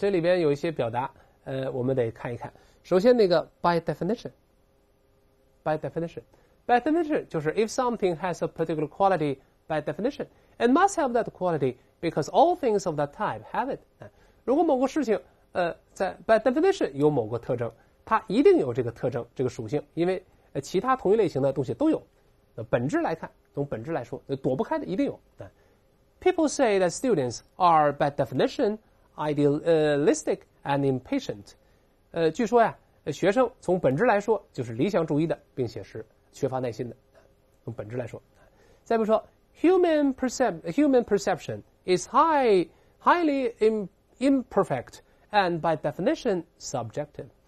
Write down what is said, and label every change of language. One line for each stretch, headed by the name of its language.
Chinese: 这里边有一些表达，我们得看一看。首先，那个
English: by definition 就是 if something has a particular quality by definition it must have that quality because all things of that type have it。
Chinese: 如果某个事情在
English: by definition
Chinese: 有某个特征，它一定有这个特征，这个属性，因为其他同一类型的东西都有。本质来看，从本质来说，躲不开的，一定有。
English: People say that students are by definition idealistic and impatient。
Chinese: 据说呀，学生从本质来说就是理想主义的，并且是缺乏耐心的。从本质来说，再比如说 ，
English: human perception is highly imperfect and by definition subjective。